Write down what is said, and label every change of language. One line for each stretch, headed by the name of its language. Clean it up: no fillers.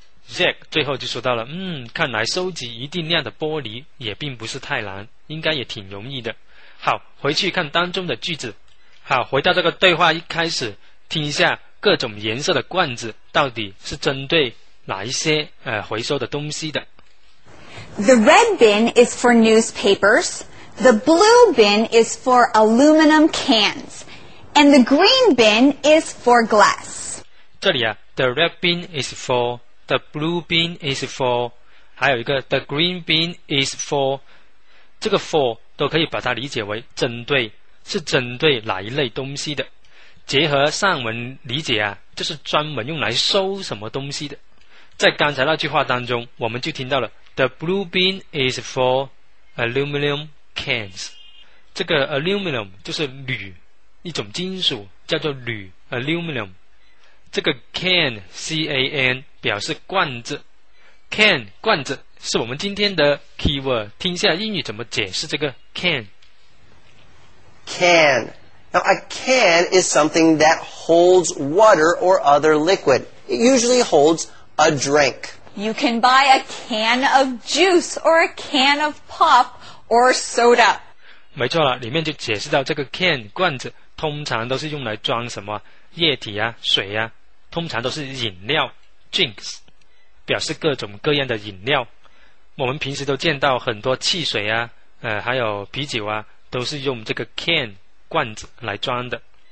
Chinese: Jack 最后就说到了，看来收集一定量的玻璃也并不是太难，应该也挺容易的。好，回去看当中的句子。好，回到这个对话一开始，听一下各种颜色的罐子到底是针对哪一些回收的东西的。
English: The red bin is for newspapers, the blue bin is for aluminum cans, and the green bin is for glass.
Chinese: 这里啊 ,
English: the red bin is for,
Chinese: the blue bin is for, 还有一个
English: the green bin is for,
Chinese: 这个 for 都可以把它理解为针对，是针对哪一类东西的。结合上文理解啊，就是专门用来收什么东西的。在刚才那句话当中，我们就听到了
English: The blue bin is for aluminum cans.
Chinese: 这个 aluminum 就是铝，一种金属叫做铝 aluminum. 这个 can C-A-N 表示罐子， can 罐子是我们今天的 keyword. 听一下英语怎么解释这个 can.
English: can. Now, a can is something that holds water or other liquid. It usually holds a drink. You can buy a can of juice or a can of pop or soda.
Chinese: 没错了，里面就解释到这个 can 罐子通常都是用来装什么液体啊、水啊，通常都是饮料 drinks， 表示各种各样的饮料。我们平时都见到很多汽水啊，还有啤酒啊，都是用这个 can 罐子来装的。